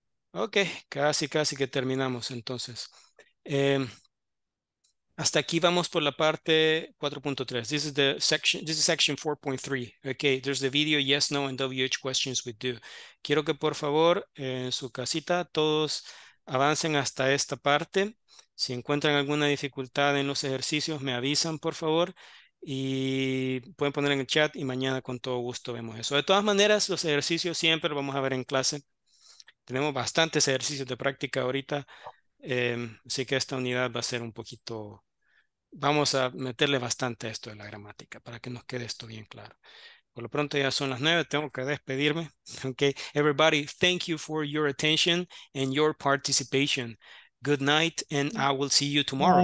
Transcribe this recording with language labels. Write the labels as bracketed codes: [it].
[es] Okay, casi que terminamos entonces. Hasta aquí vamos por la parte 4.3. [en] This is section 4.3. Okay, there's the video yes, no, and WH questions we do. [es] Quiero que por favor en su casita todos avancen hasta esta parte. Si encuentran alguna dificultad en los ejercicios, me avisan por favor. Y pueden poner en el chat y mañana con todo gusto vemos eso. De todas maneras, los ejercicios siempre los vamos a ver en clase. Tenemos bastantes ejercicios de práctica ahorita. Así que esta unidad va a ser un poquito... Vamos a meterle bastante a esto de la gramática para que nos quede esto bien claro. Por lo pronto ya son las 9, tengo que despedirme. [en] Okay, everybody, thank you for your attention and your participation. Good night, and I will see you tomorrow.